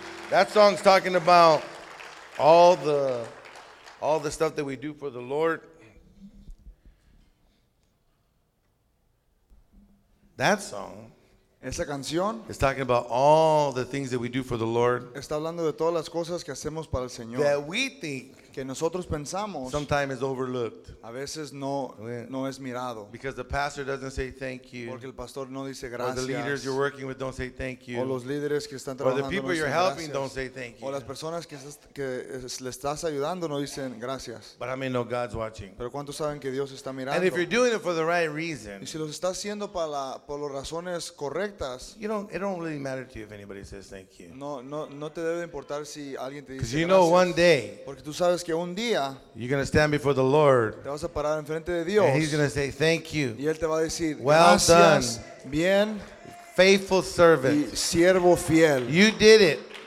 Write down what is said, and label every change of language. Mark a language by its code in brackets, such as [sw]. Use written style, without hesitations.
[en] That song's talking about all the stuff that we do for the Lord. That song, [es] esa canción, [en] is talking about all the things that we do for the Lord. [es] Está hablando de todas las cosas que hacemos para el Señor. [en] That we think, [es] que nosotros pensamos, [en] sometimes is overlooked. [es] A veces no es mirado. [en] Because the pastor doesn't say thank you. [es] Porque el pastor no dice gracias. [en] Or the leaders you're working with don't say thank you. [es] O los líderes que están trabajando. [en] Or the people you're helping don't say thank you. [es] O las personas que le estás ayudando no dicen gracias. [en] But I mean, no, God's watching. [es] Pero cuántos saben que Dios está mirando. [en] And if you're doing it for the right reason, [es] y si los estás haciendo por las razones correctas, [en] it don't really matter to you if anybody says thank you. [es] No te debe importar si alguien te dice gracias. [en] Because you know one day, [es] porque tú sabes. [en] You're going to stand before the Lord, and he's going to say thank you, well done, faithful servant, you did it.